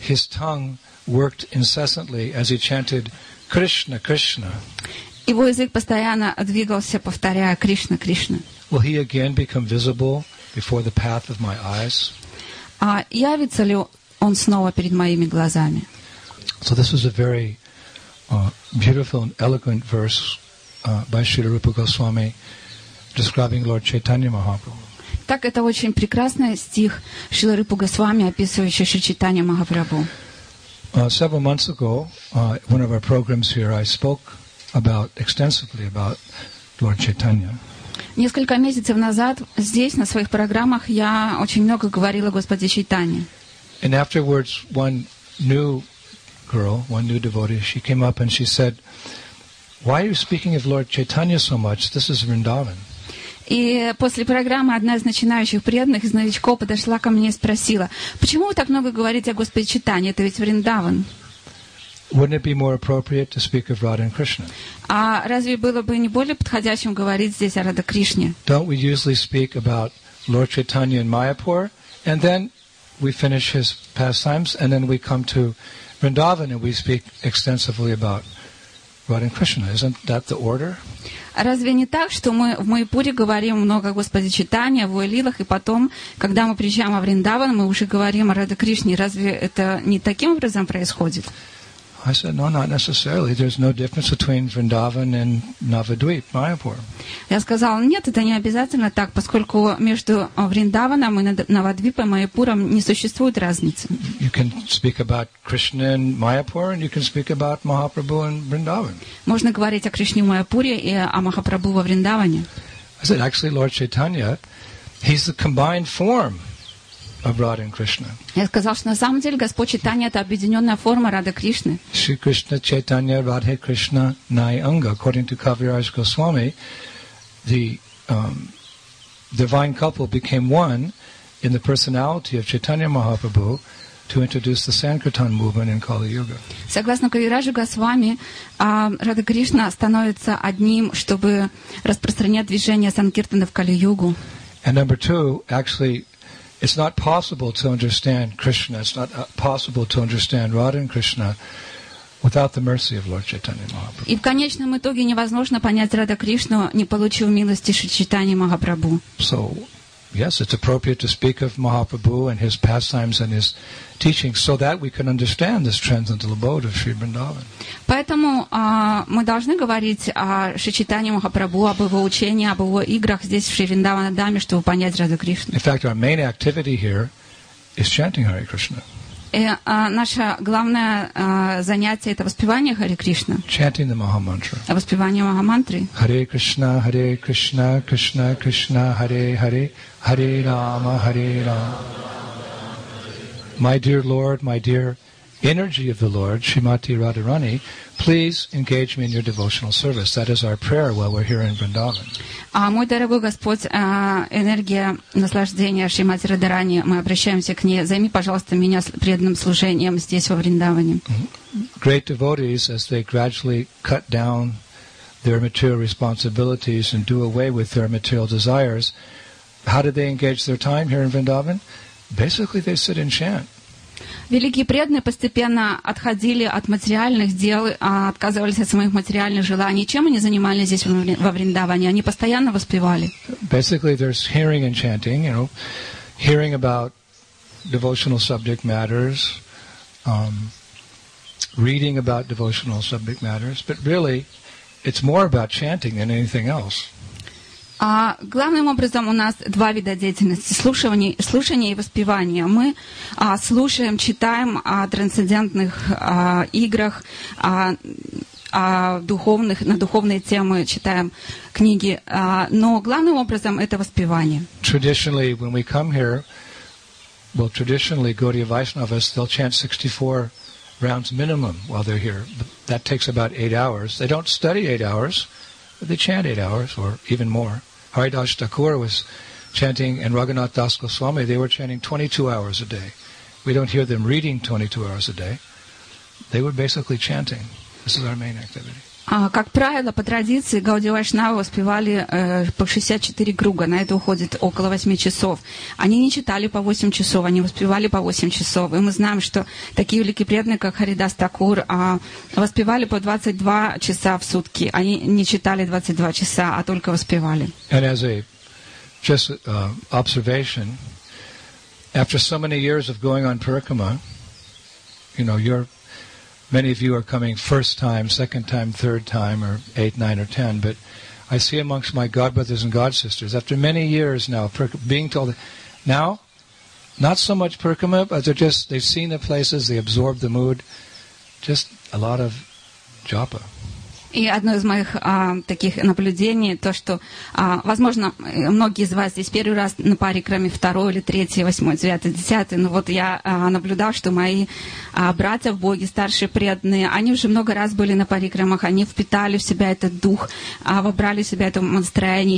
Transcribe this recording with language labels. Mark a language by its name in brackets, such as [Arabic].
[English] His tongue worked incessantly as he chanted Krishna, Krishna. [Russian] Его язык постоянно двигался, повторяя Кришна, Кришна. [English] Will he again become visible before the path of my eyes? [Russian] А явится ли он снова перед моими глазами? [English] So this was a very beautiful and eloquent verse by Śrīla Rūpa Gosvāmī. Describing Lord Chaitanya Mahaprabhu. [Russian] Так это очень прекрасный стих Шрилы Рупы Госвами, описывающий Шри Чайтанья Махапрабху. [English] Several months ago, one of our programs here, I spoke about extensively about Lord Chaitanya. [Russian] Несколько месяцев назад здесь на своих программах я очень много говорила о Господе Чайтанье. [English] And afterwards, one new devotee, she came up and she said, "Why are you speaking of Lord Chaitanya so much? This is Vrindavan." [Russian] И после программы одна из начинающих преданных, из новичков, подошла ко мне и спросила, почему вы так много говорите о Господе Чайтанье? Это ведь Вриндаван. [English] Wouldn't it be more appropriate to speak of Radha and Krishna? [Russian] А разве было бы не более подходящим говорить здесь о Радха Кришне? [English] Don't we usually speak about Lord Chaitanya in Mayapur, and then we finish his pastimes, and then we come to Vrindavan, and we speak extensively about Radha and Krishna. Isn't that the order? [Russian] Разве не так, что мы в Майпуре говорим много о Господе Читания, о лилах, и потом, когда мы приезжаем во Вриндаван, мы уже говорим о Радхе Кришне? Разве это не таким образом происходит? [English] I said, no, not necessarily. There's no difference between Vrindavan and Navadvip, Mayapur. [Russian] Я сказал, нет, это не обязательно так, поскольку между Вриндаваном и Навадвипом, Майапуром не существует разницы. [English] You can speak about Krishna in Mayapur, and you can speak about Mahaprabhu in Vrindavan. [Russian] Можно говорить о Кришне в Майапуре и о Махапрабху во Вриндаване. [English] I said, actually, Lord Chaitanya, he's the combined form. Radha and Krishna. [Russian] Я сказал, что на самом деле Господь Чайтанья это объединенная форма Радхи Кришны. [Sanskrit] Шри Кришна Чайтанья Радхи Кришна Найанга. [English] According to Kaviraj Goswami, the divine couple became one in the personality of Chaitanya Mahaprabhu to introduce the Sankirtan movement in Kali Yuga. [Russian] Согласно Кавираджу Госвами, Радха Кришна становится одним, чтобы распространять движение Санкиртана в Кали Югу. [English] And number two, actually. It's not possible to understand Krishna. It's not possible to understand Radha and Krishna without the mercy of Lord Chaitanya Mahaprabhu. [Russian] И в конечном итоге невозможно понять Радха Кришну, не получив милости Шри Чайтаньи Махапрабху. [English] So, yes, it's appropriate to speak of Mahaprabhu and his pastimes and his teachings so that we can understand this transcendental abode of Sri Vrindavan. [Russian] Поэтому мы должны говорить о Шри Чайтанье Махапрабху, об его учении, об его играх здесь в Шри Вриндаванадхаме, чтобы понять Радху Кришну. [English] In fact, our main activity here is chanting Hare Krishna. [Russian] Наше главное занятие это воспевание Хари Кришна. [English] Chanting the Maha Mantra. [Russian] Воспевание Маха Мантры. [Sanskrit] Hare Krishna, Hare Krishna, Krishna Krishna, Hare Hare, Hare Rama, Hare Rama. [English] My dear Lord, my dear energy of the Lord, Srimati Radharani, please engage me in your devotional service. That is our prayer while we're here in Vrindavan. [Russian] Мой дорогой Господь, энергия наслаждения Шримати Радхарани, мы обращаемся к ней. Займи, пожалуйста, меня преданным служением здесь, во Вриндаване. [English] Great devotees, as they gradually cut down their material responsibilities and do away with their material desires, how do they engage their time here in Vrindavan? Basically, they sit and chant. [Russian] Великие преданные постепенно отходили от материальных дел, отказывались от своих материальных желаний. Чем они занимались здесь во Вриндаване? Они постоянно воспевали. [English] Basically, there's hearing and chanting, you know, hearing about devotional subject matters, reading about devotional subject matters, but really, it's more about chanting than anything else. [Russian] Главным образом у нас два вида деятельности — слушание и воспевание. Мы слушаем, читаем о трансцендентных играх, о духовных, на духовные темы читаем книги, но главным образом это воспевание. [English] Traditionally, when we come here, well, traditionally, Gaudiya Vaishnavas, they'll chant 64 rounds minimum while they're here. That takes about 8 hours. They don't study 8 hours, but they chant 8 hours or even more. Haridas Thakur was chanting, and Raghunath Das Goswami, they were chanting 22 hours a day. We don't hear them reading 22 hours a day. They were basically chanting. This is our main activity. [Russian] Как правило, по традиции, Гаудия Вайшнавы воспевали по 64 круга, на это уходит около 8 часов. Они не читали по 8 часов, они воспевали по 8 часов. И мы знаем, что такие великие преданные, как Харидас Такур, воспевали по 22 часа в сутки. Они не читали 22 часа, а только воспевали. [English] And as a just observation, after so many years of going on Parikrama, you know, you're many of you are coming first time, second time, third time, or 8, 9, or 10. But I see amongst my godbrothers and godsisters, after many years now, being told, now, not so much Parikrama, but they're just, they've seen the places, they absorb the mood, just a lot of japa. [Russian] И одно из моих таких наблюдений, то, что, возможно, многие из вас здесь первый раз на паре, кроме второй или третий, восьмой, девятый, десятый, но вот я наблюдал, что мои братья в Боге, старшие преданные, они уже много раз были на парикрамах, они впитали в себя этот дух, вобрали в себя это настроение.